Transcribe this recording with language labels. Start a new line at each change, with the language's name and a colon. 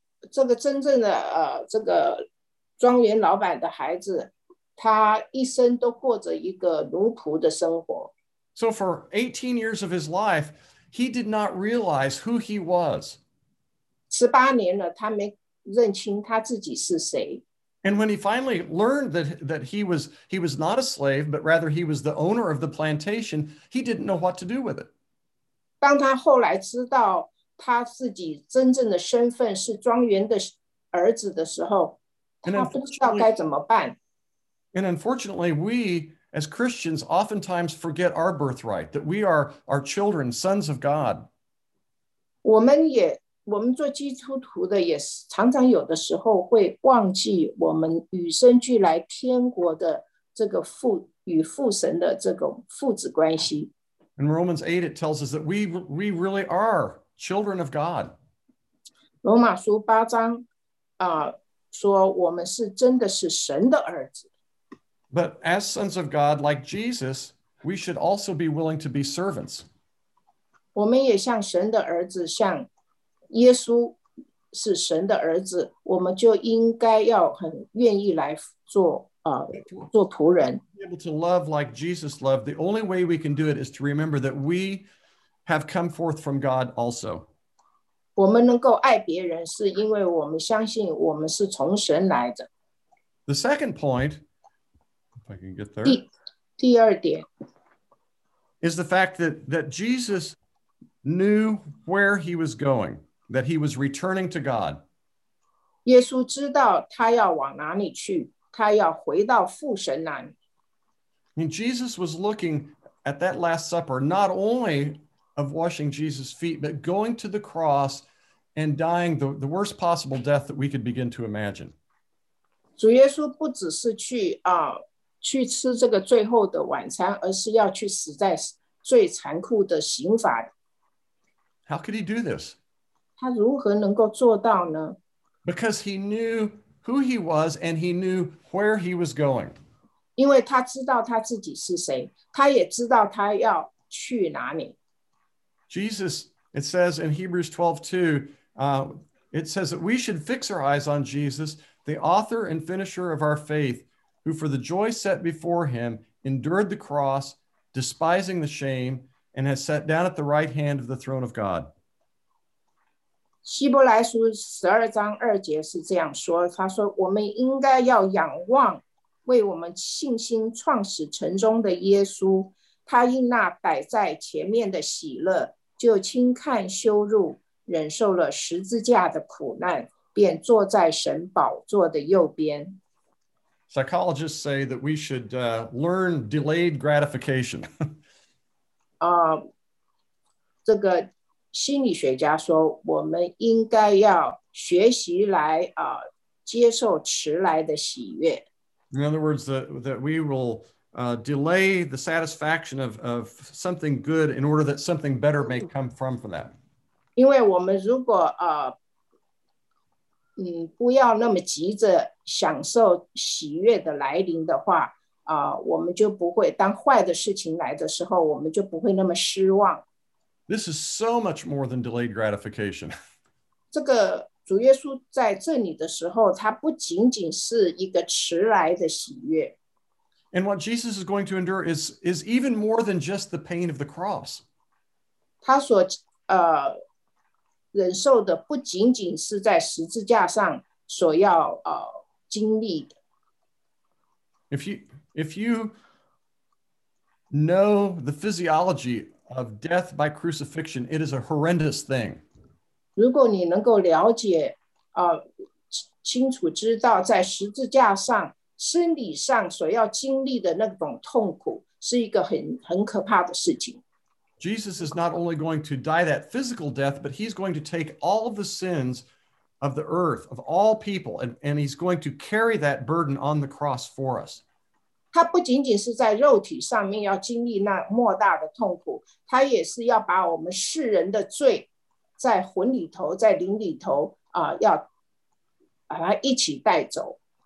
Chinese: 这个真正的这个庄园老板的孩子，他一生都过着一个奴仆的生活。
English: So for 18 years of his life, he did not realize who he was.
Chinese: 18年了，他没认清他自己是谁。
English: And when he finally learned that he was not a slave, but rather he was the owner of the plantation, he didn't know what to do with it.
Chinese: 当他后来知道他自己真正的身份是庄园的儿子的时候，他不知道该怎么办。
English: And unfortunately, we as Christians oftentimes forget our birthright, that we are our children, sons of God.
Chinese: 我们做基督徒的也常常有的时候会忘记我们与生俱来天国的这个父与父神的这种父子关系。
English: In Romans 8, it tells us that we really are children of God.
Chinese: 罗马书八章说我们是真的是神的儿子。
English: But as sons of God, like Jesus, we should also be willing to be servants.
Chinese: 我们也像神的儿子，像耶稣是神的儿子，我们就应该要很愿意来做做仆人。
English: Be able to love like Jesus loved. The only way we can do it is to remember that we have come forth from God also.
Chinese: 我们能够爱别人，是因为我们相信我们是从神来的。
English: The second point, if I can get there.
Chinese: 第二点
English: is the fact that Jesus knew where he was going, that he was returning to God.
Chinese: 耶稣知道他要往哪里去。他要回到父神那里。
English: And Jesus was looking at that Last Supper, not only of washing Jesus' feet, but going to the cross and dying the worst possible death that we could begin to imagine.
Chinese: 主耶稣不只是去吃这个最后的晚餐，而是要去死在最残酷的刑罚。
English: How could he do this?
Chinese: 他如何能够做到呢？
English: Because he knew who he was, and he knew where he was going.
Chinese: 因为他知道他自己是谁，他也知道他要去哪里。
English: Jesus, it says in Hebrews 12:2, it says that we should fix our eyes on Jesus, the author and finisher of our faith, who for the joy set before him endured the cross, despising the shame, and has sat down at the right hand of the throne of God.
Chinese: 希伯来书十二章二节是这样说，他说我们应该要仰望为我们信心创始成终的耶稣，他因那摆在前面的喜乐就轻看羞辱，忍受了十字架的苦难，便坐在神宝座的右边。
English: Psychologists say that we should learn delayed gratification.
Chinese: 这个心理学家说我们应该要学习来接受迟来的喜悦。
English: In other words, that we will delay the satisfaction of something good in order that something better may come from that.
Chinese: 因为我们如果不要那么急着享受喜悦的来临的话，我们就不会，当坏的事情来的时候，我们就不会那么失望。
English: This is so much more than delayed gratification.
Chinese: 这个主耶稣在这里的时候，他不仅仅是一个迟来的喜悦。
English: And what Jesus is going to endure is even more than just the pain of the cross.
Chinese: 他所忍受的不仅仅是在十字架上所要经历的。
English: If you know the physiology of death by crucifixion, it is a horrendous thing.
Chinese: 如果你能够了解清楚知道在十字架上生理上所要经历的那种痛苦，是一个很可怕的事情。
English: Jesus is not only going to die that physical death, but he's going to take all of the sins of the earth, of all people, and he's going to carry that burden on the cross for us.
Chinese: 他不仅仅是在肉体上面要经历那莫大的痛苦，他也是要把我们世人的罪在魂里头，在灵里头要把它一起带走。